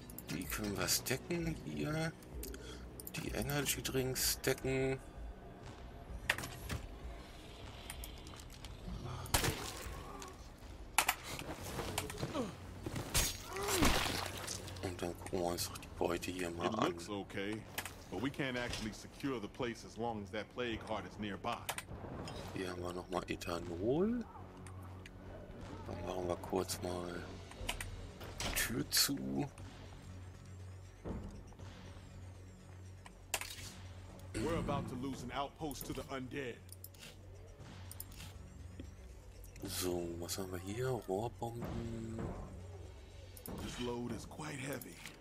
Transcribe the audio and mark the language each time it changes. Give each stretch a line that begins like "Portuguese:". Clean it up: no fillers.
German: Die können wir stacken hier. Die Energy Drinks stacken. Und dann gucken wir uns doch die Beute hier mal an.
English: It looks okay, but we can't actually secure the place as long as that plague heart is nearby.
German: Hier haben wir nochmal Ethanol. Dann machen wir kurz mal die Tür zu.
English: We're about to lose an outpost to the undead.
German: So, was haben wir hier? Rohrbomben.
English: This load is quite heavy.